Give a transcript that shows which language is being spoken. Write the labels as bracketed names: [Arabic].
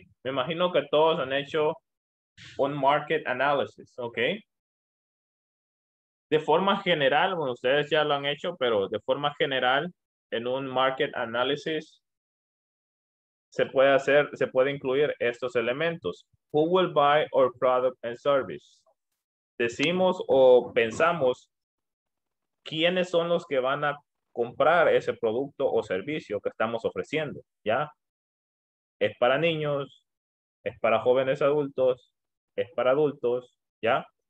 [Spanish] Me imagino que todos han hecho un market analysis. Ok. De forma general, bueno, ustedes ya lo han hecho, pero de forma general, en un market analysis, se puede incluir estos elementos. [English] Who will buy our product and service? [Spanish] Decimos o pensamos quiénes son los que van a comprar ese producto o servicio que estamos ofreciendo, ¿ya? Es para niños, es para jóvenes adultos, es para adultos, ¿ya?